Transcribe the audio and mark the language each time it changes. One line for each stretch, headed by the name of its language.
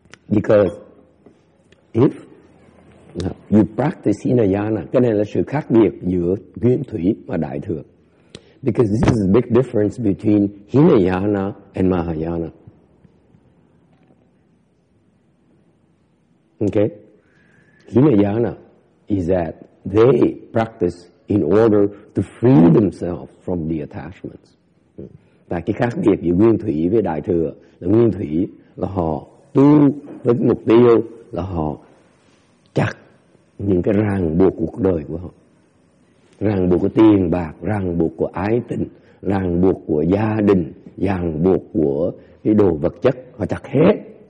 English: Because if you practice Hinayana,
Vietnamese: cái này là sự khác biệt giữa Nguyên Thủy và Đại Thừa.
English: Because this is a big difference between Hinayana and Mahayana. Okay, Hinayana is that they practice in order to free themselves from the attachments.
Vietnamese: Và cái khác biệt giữa Nguyên Thủy với Đại Thừa là Nguyên Thủy là họ tu với mục tiêu là họ chặt những cái ràng buộc cuộc đời của họ. Ràng buộc của tiền bạc, ràng buộc của ái tình, ràng buộc của gia đình, ràng buộc của cái đồ vật chất, họ chặt hết.